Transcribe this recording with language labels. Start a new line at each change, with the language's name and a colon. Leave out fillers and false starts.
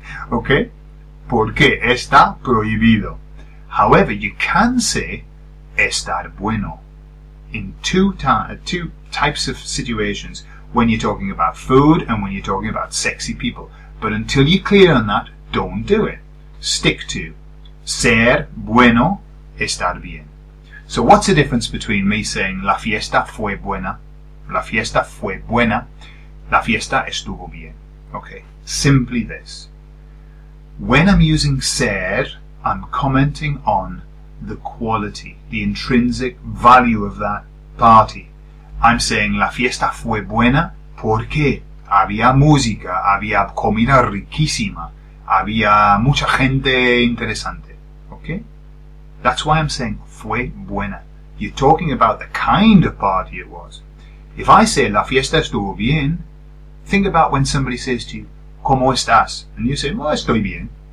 Spanish: Okay, porque está prohibido.
English: However, you can say estar bueno in two types of situations, when you're talking about food and when you're talking about sexy people. But until you're clear on that, don't do it. Stick to
Spanish: ser bueno, estar bien.
English: So what's the difference between me saying
Spanish: la fiesta fue buena, la fiesta fue buena, la fiesta estuvo bien?
English: Okay, simply this. When I'm using ser, I'm commenting on the quality, the intrinsic value of that party. I'm saying
Spanish: la fiesta fue buena porque había música, había comida riquísima, había mucha gente interesante. Okay?
English: That's why I'm saying
Spanish: fue buena.
English: You're talking about the kind of party it was. If I say
Spanish: la fiesta estuvo bien,
English: think about when somebody says to you,
Spanish: ¿cómo estás?
English: And you say, well,
Spanish: estoy bien.